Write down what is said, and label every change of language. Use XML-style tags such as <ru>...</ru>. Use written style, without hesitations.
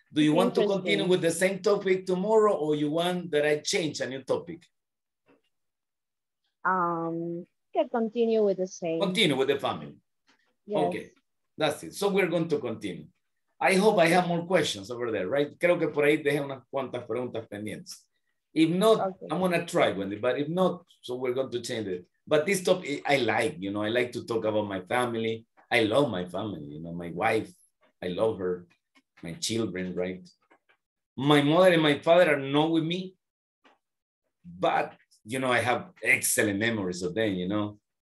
<en>Do you want to continue with the same topic tomorrow, or you want that I change a new topic? Can continue with the same. Continue with the family. Yes. Okay, that's it. So we're going to continue. I hope I have more questions over there, right?</en> <es>Creo que por ahí dejé unas cuantas preguntas pendientes.</es> <en>If not, okay. I'm gonna try, Wendy. But if not, so we're going to change it. But this topic, I like. You know, I like to talk about my family. I love my family. You know, my wife. I love her, my children, right? My mother and my father are not with me, but you know, I have excellent memories of them, you know?</en>